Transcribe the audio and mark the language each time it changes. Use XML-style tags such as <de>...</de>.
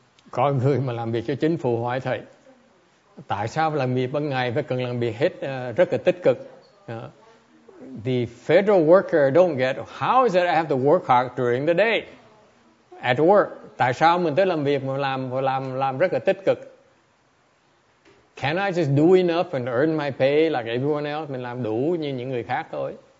<vi>Có người mà làm việc cho chính phủ hỏi thầy. Tại sao làm việc ban ngày phải cần làm việc hết rất là tích cực?</vi> <en>The federal worker don't get how is it I have to work hard during the day at work?</en> <vi>Tại sao mình tới làm việc mà làm rất là tích cực?</vi> <en>Can I just do enough and earn my pay like everyone else?</en> <vi>Mình làm đủ như những người khác thôi.</vi>